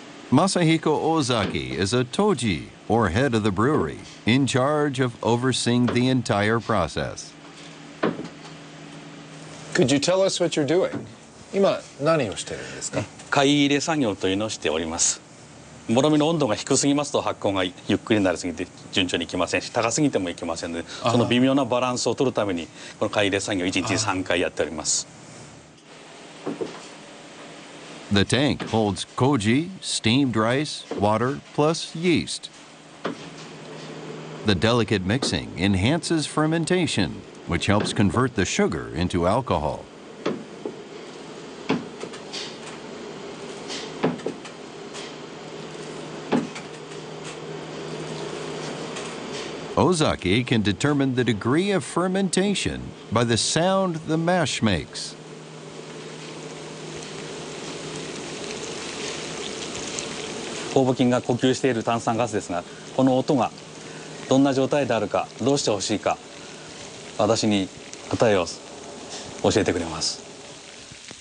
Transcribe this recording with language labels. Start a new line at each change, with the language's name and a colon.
English: Masahiko Ozaki is a toji, or head of the brewery, in charge of overseeing the entire process. Could you tell us what you're doing?
Japanese: 今何をしてるんですか? 買い入れ作業というのをしております。もろみの温度が低すぎますと発酵がゆっくりになりすぎて順調にいきませんし、高すぎてもいきませんので、その微妙なバランスを取るためにこの買い入れ作業を1日3回やっております。
English: The tank holds koji, steamed rice, water, plus yeast. The delicate mixing enhances fermentation, which helps convert the sugar into alcohol. Ozaki can determine the degree of fermentation by the sound the mash makes.
Japanese: 酵母菌が呼吸している炭酸ガスですが、この音がどんな状態であるか、どうしてほしいか、私に答えを教えてくれます。